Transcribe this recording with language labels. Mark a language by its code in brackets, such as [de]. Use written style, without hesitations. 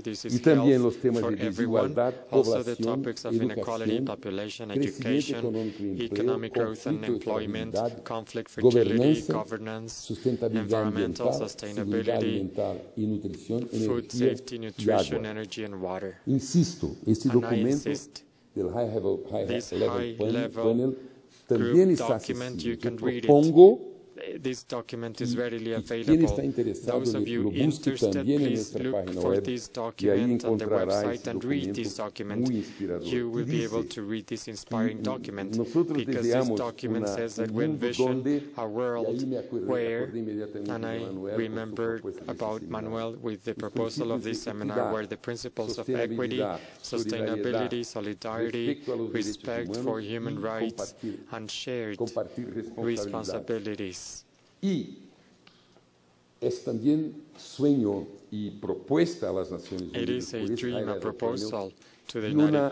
[en] This is health for everyone, also the topics of inequality, population, education, economic growth and employment, conflict, fragility, governance, environmental sustainability, food safety, nutrition, energy and water. [es] Insisto, este documento del High Level Panel también está accesible. [en] This document is readily available. Those of you interested, please look for this document on the website and read this document. You will be able to read this inspiring document, because this document says that we envision a world where, and I remembered about Manuel with the proposal of this seminar, where the principles of equity, sustainability, solidarity, respect for human rights, and shared responsibilities. [es] Y es también sueño y propuesta a las Naciones Unidas. [en] It is a dream, a proposal to the United Nations,